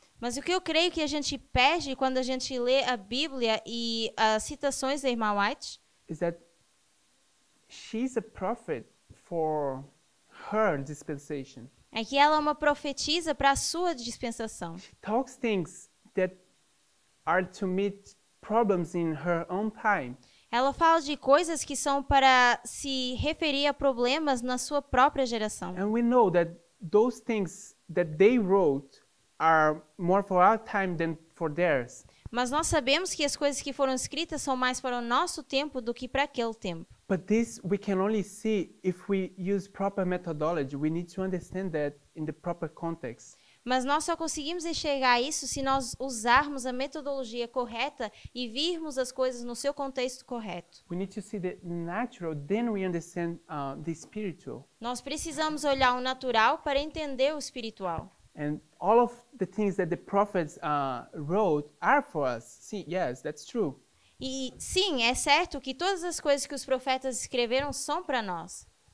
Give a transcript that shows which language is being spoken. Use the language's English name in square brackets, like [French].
[Portuguese] Mas o que eu creio que a gente perde quando a gente lê a Bíblia e as citações da irmã White? [English] Is that she's a prophet for her dispensation. [Portuguese] É que ela é uma profetisa para a sua dispensação. [English] She talks things that are to meet problems in her own time. [Portuguese] Ela fala de coisas que são para se referir a problemas na sua própria geração. [English] And we know that those things that they wrote are more for our time than for theirs. [Portuguese] Mas nós sabemos que as coisas que foram escritas são mais para o nosso tempo do que para aquele tempo. [English] But this we can only see if we use proper methodology. We need to understand that in the proper context. [Portuguese] Mas nós só conseguimos enxergar isso se nós usarmos a metodologia correta e virmos as coisas no seu contexto correto. [English] We need to see the natural, then we understand the spiritual. [Portuguese] Nós precisamos olhar o natural para entender o espiritual. [English] And all of the things that the prophets wrote are for us. See, yes, that's true. [Portuguese] E sim, é certo que todas as coisas que os profetas escreveram são para nós.